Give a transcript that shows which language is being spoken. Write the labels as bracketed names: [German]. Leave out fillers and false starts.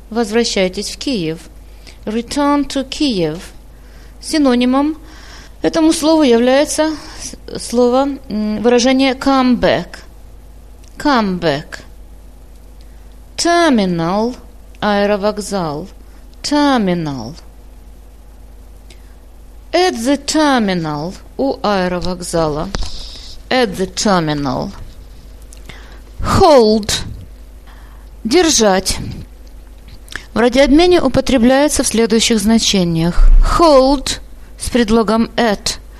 [Russian] Возвращайтесь в Киев. [English] Return to Kiev. [Russian] Синонимом этому слову является слово, выражение come back. [English] Come back. Terminal, аэровокзал. Terminal. At the terminal, [Russian] у аэровокзала. [English] At the terminal. [Russian] Hold, держать. В радиообмене употребляется в следующих значениях. [English] Hold. [Russian] С предлогом at.